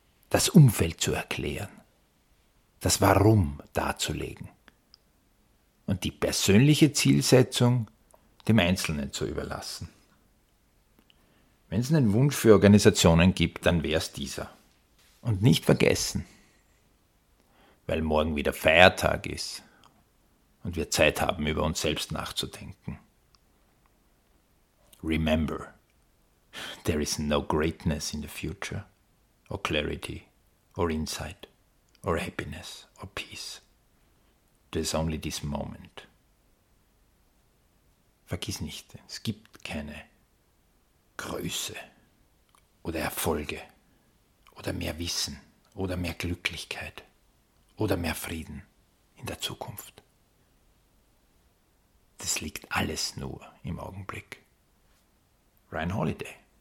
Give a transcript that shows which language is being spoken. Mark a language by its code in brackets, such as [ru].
[de] Das Umfeld zu erklären, das Warum darzulegen und die persönliche Zielsetzung dem Einzelnen zu überlassen. Wenn es einen Wunsch für Organisationen gibt, dann wäre es dieser. Und nicht vergessen, weil morgen wieder Feiertag ist und wir Zeit haben, über uns selbst nachzudenken. [en] Remember, there is no greatness in the future or clarity or insight or happiness or peace. There is only this moment. [de] Vergiss nicht, es gibt keine Größe oder Erfolge oder mehr Wissen oder mehr Glücklichkeit oder mehr Frieden in der Zukunft. Das liegt alles nur im Augenblick. Ryan Holiday.